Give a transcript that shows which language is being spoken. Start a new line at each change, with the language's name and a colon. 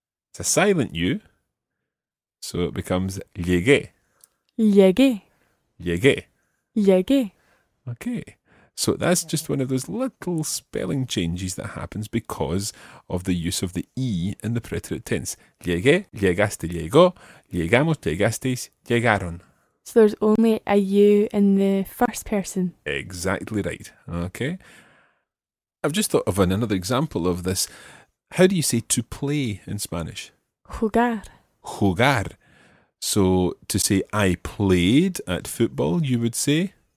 English: It's a silent U, so it becomes llegué.
Spanish: Llegué. Llegué. Llegué.
English: Okay, so that's just one of those little spelling changes that happens because of the use of the E in the preterite tense.
Spanish: Llegué, llegaste, llegó, llegamos, llegasteis, llegaron.
English: So there's only a U in the first person. Exactly right. Okay. I've just thought of another example of this. How do you say to play in Spanish?
Spanish: Jugar. Jugar.
English: So to say I played at football, you would say?